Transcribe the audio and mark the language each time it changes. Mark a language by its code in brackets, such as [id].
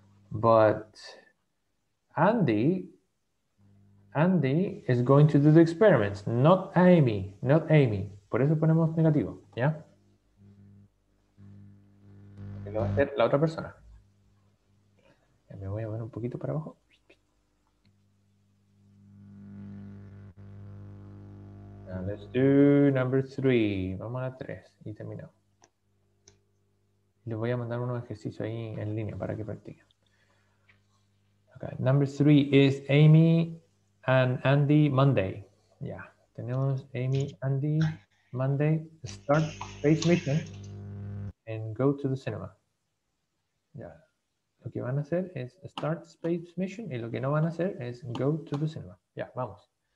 [en] But Andy is going to do the experiments, not Amy, not Amy. [es] Por eso ponemos negativo, ¿ya? Porque lo va a hacer la otra persona. Ya me voy a mover un poquito para abajo. [en] Now let's do number three. [es] Vamos a la tres y terminamos. Les voy a mandar unos ejercicios ahí en línea para que practiquen. [en] Okay, number three is Amy and Andy Monday. [es] Ya, tenemos [en] Amy, Andy... Monday, start space mission and go to the cinema. Yeah. [es] Lo que van a hacer es [en] start space mission [es] y lo que no van a hacer es [en] go to the cinema. [es] Ya, yeah, vamos.